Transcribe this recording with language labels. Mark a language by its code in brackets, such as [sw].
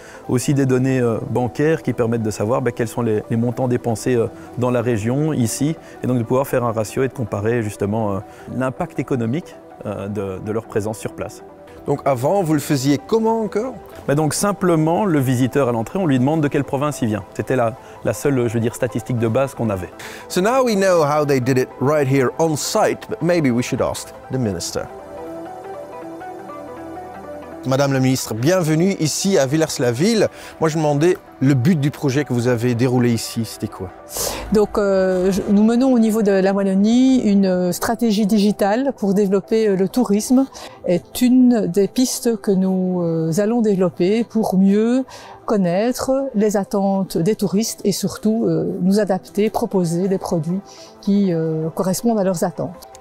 [fr] Aussi des données bancaires qui permettent de savoir quels sont les montants dépensés dans la région, ici, et donc de pouvoir faire un ratio et de comparer justement l'impact économique de leur présence sur place. Donc avant, vous le faisiez comment encore? Donc simplement, le visiteur à l'entrée, on lui demande de quelle province il vient. C'était la seule, je veux dire, statistique de base qu'on avait. [en] So now we know how they did it right here on site, but maybe we should ask the minister. [fr] Madame la ministre, bienvenue ici à Villers-la-Ville. Moi, je me demandais, le but du projet que vous avez déroulé ici, c'était quoi? Donc, nous menons au niveau de la Wallonie une stratégie digitale pour développer le tourisme. C'est une des pistes que nous allons développer pour mieux connaître les attentes des touristes et surtout nous adapter, proposer des produits qui correspondent à leurs attentes.